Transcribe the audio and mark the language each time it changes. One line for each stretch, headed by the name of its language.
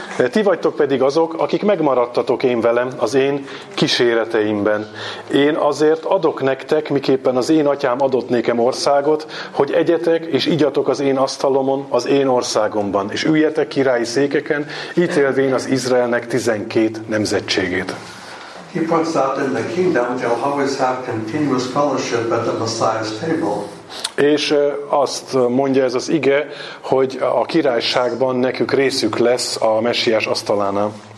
Hungarian: Ti vagytok pedig azok, akik megmaradtatok én velem az én kíséreteimben. Én azért adok nektek, miképpen az én atyám adott nékem országot, hogy egyetek és igyatok az én asztalomon, az én országomban, és üljetek királyi székeken, ítélvén az Izraelnek 12 nemzetségét.
English: He points out in the kingdom they'll always have continuous fellowship at the Messiah's table.
Hungarian: És azt mondja ez az ige, hogy a királyságban nekük részük lesz a messiás asztalánál.